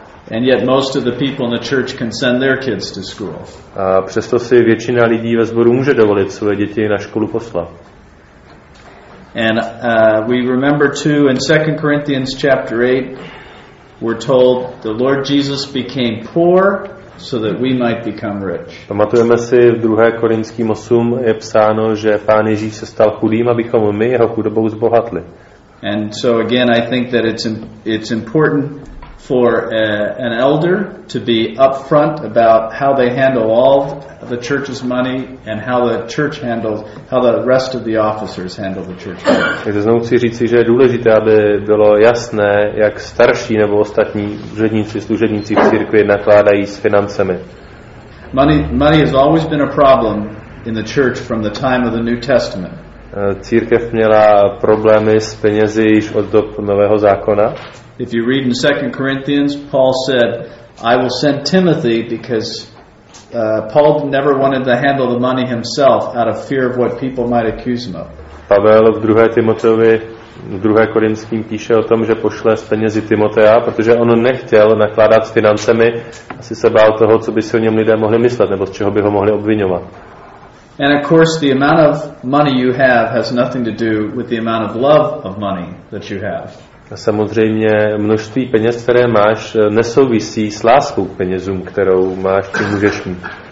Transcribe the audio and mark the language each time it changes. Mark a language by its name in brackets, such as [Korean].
[English] And yet most of the people in the church can send their kids to school. [Czech] A přesto si většina lidí ve sboru může dovolit své děti na školu poslat. [English] And we remember too in 2 Corinthians chapter 8 we're told the Lord Jesus became poor so that we might become rich. [Czech] Pamatujeme si, v 2. Korinským 8 je psáno, že Pán Ježíš se stal chudým, abychom my jeho chudobou zbohatli. [English] And so again I think that it's important for an elder to be upfront about how they handle all the church's money and how the church handles, how the rest of the officers handle the church money. [Czech] Takže znovu chci říci, že je důležité, aby bylo jasné, jak starší nebo ostatní úředníci, služebníci v církvi nakládají s financemi. [English] Money has always been a problem in the church from the time of the New Testament. [Czech] Církev měla problémy s penězi již od dob Nového zákona. [English] If you read in 2 Corinthians, Paul said, I will send Timothy because Paul never wanted to handle the money himself out of fear of what people might accuse him of. [Czech] Pavel v 2. Timoteovi, v 2. Korinským píše o tom, že pošle s penězi Timotea, protože on nechtěl nakládat s financemi, asi se bál toho, co by si o něm lidé mohli myslet, nebo z čeho by ho mohli obvinovat. [English] And of course the amount of money you have has nothing to do with the amount of love of money that you have. [Czech] A samozřejmě množství peněz, které máš, nesouvisí s láskou k penězům, kterou máš, či můžeš mít.